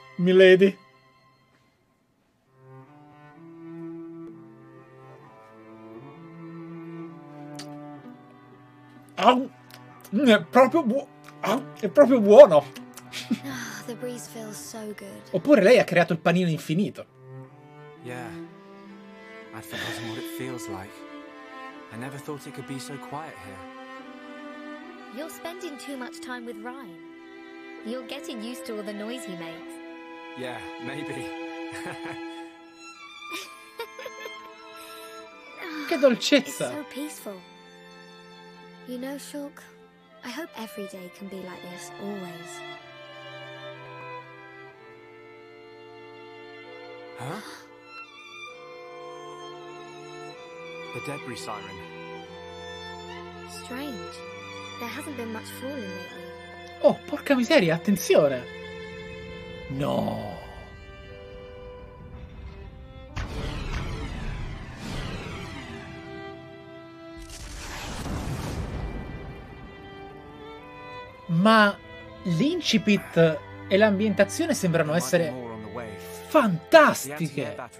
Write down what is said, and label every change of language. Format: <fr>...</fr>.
<en>Milady.</en> <it>È proprio buono. Ah, è proprio buono.</it> <en>The breeze feels so good.</en> <it>Oppure lei ha creato il panino infinito.</it> <en>Yeah. I'd forgotten what it feels like. I never thought it could be so quiet here. You're spending too much time with Ryan. You're getting used to all the noise he makes. Yeah, maybe.</en> <it>che dolcezza.</it> <en>It's so peaceful. You know, Shulk, I hope every day can be like this always. Huh? The debris siren. Strange. There hasn't been much falling lately.</en> <it>Oh, porca miseria, attenzione. No. Ma l'incipit e l'ambientazione sembrano essere fantastiche.</it>